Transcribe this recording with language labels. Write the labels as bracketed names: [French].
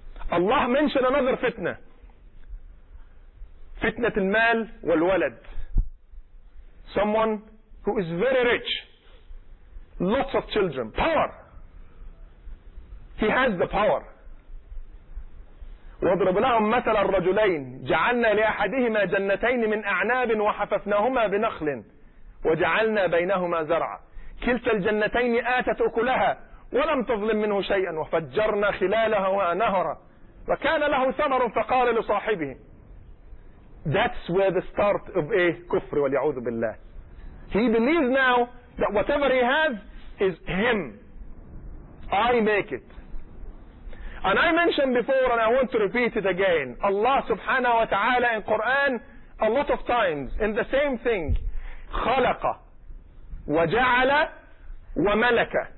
[English] Allah mentioned another fitna. Fitna al mal wal walad. Someone who is very rich, lots of children, power. He has the power. [Arabic] وضرب لهم مثل الرجلين جعلنا لأحدهما جنتين من أعناب وحففناهما بنخل وجعلنا بينهما زرعا كلتا الجنتين آتت أكلها ولم تظلم منه شيئا وفجرنا خلالها نهرا وكان له ثمر فقال لصاحبه. [English] That's where the start of a [Arabic] كفر وليعوذ بالله. [English] He believes now that whatever he has is him. I make it. And I mentioned before, and I want to repeat it again. Allah subhanahu wa ta'ala in Quran, a lot of times, in the same thing, [Arabic] خَلَقَ وَجَعَلَ وَمَلَكَ.